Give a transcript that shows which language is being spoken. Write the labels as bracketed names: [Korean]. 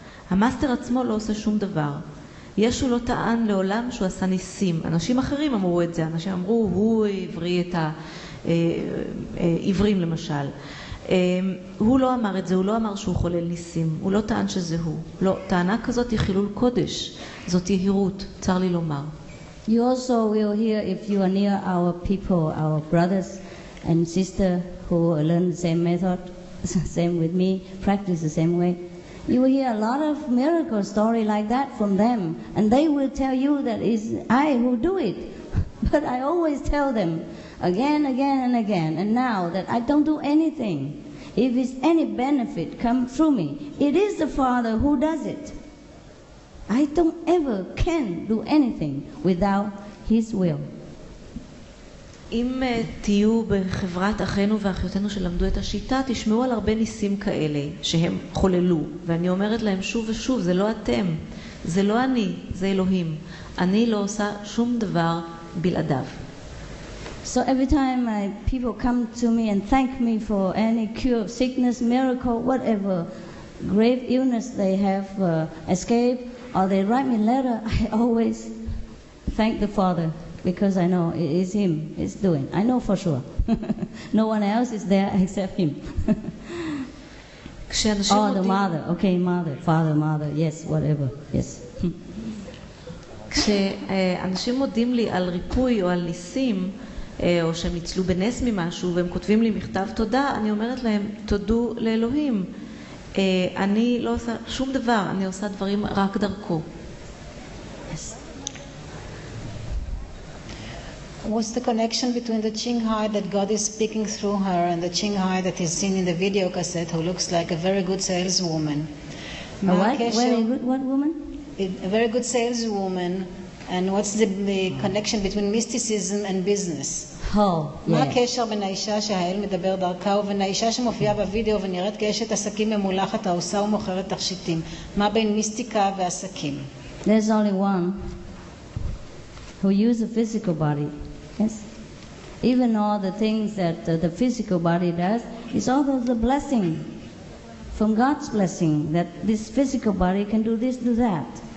[Hebrew] המאסטר עצמו לא עושה שום דבר. ישו לא טען לעולם שהוא עשה ניסים. אנשים אחרים אמרו את זה, אנשים אמרו, הוא הבריא את העברים למשל. הוא לא אמר את זה, הוא לא אמר שהוא חולל ניסים, הוא לא טען שזה הוא. לא, טענה כזאת היא חילול קודש, זאת יהירות, צר לי לומר. [English] You also will hear if you are near our people, our brothers and sisters who learn the same method, same with me, practice the same way. You will hear a lot of miracle story like that from them, and they will tell you that it's I who do it. But I always tell them, again, again, and again, and now that I don't do anything. If it's any benefit come through me, it is the Father who does it. I don't ever can do anything without His will. [Hebrew] אם תהיו בחברת אחינו ואחיותינו שלמדו את השיטה, תשמעו על הרבה ניסים כאלה שהם חוללו. ואני אומרת להם שוב ושוב, זה לא אתם, זה לא אני, זה אלוהים. אני לא עושה שום דבר בלעדיו. [English] So every time my people come to me and thank me for any cure of sickness, miracle, whatever grave illness they have escaped, or they write me a letter, I always thank the Father because I know it is Him, it's doing. I know for sure. No one else is there except Him. Or the mother, okay, mother, father, mother, yes, whatever, yes. [Hebrew] כשאנשים מודים לי על ריפוי או על ניסים, או שהם ניצלו בנס ממשהו והם כותבים לי מכתב תודה, אני אומרת להם, תודו לאלוהים. אני לא עושה שום דבר, אני עושה דברים רק דרכו. [English] Yes. What's the connection between the Qinghai that God is speaking through her and the Qinghai that is seen in the video cassette who looks like a very good saleswoman? A very good woman? A very good saleswoman. And what's the connection between mysticism and business? [Hebrew] מה הקשר בין האישה שהאל מדבר דרכה ובין האישה שמופיעה בווידאו ונראית כאשת עסקים ממולחת העושה ומוכרת תכשיטים? מה בין מיסטיקה ועסקים? [English] There's only one who uses a physical body. Yes. Even all the things that the physical body does, it's all those the blessing from God's blessing that this physical body can do this, do that.